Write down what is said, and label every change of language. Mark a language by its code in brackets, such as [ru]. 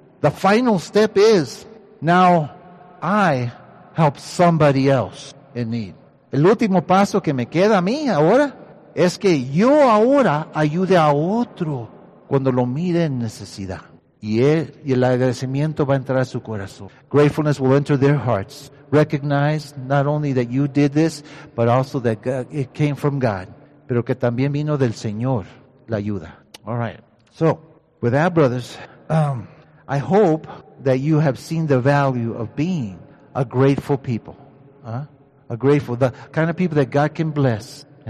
[en] The final step is, now I help somebody else in need. [es] El último paso que me queda a mí ahora, es que yo ahora ayude a otro cuando lo mire en necesidad. Y el agradecimiento va a entrar a su corazón. [en] Gratefulness will enter their hearts. Recognize not only that you did this, but also that it came from God. [es] Pero que también vino del Señor la ayuda. [en] All right. So, with that, brothers, I hope that you have seen the value of being a grateful people. The kind of people that God can bless.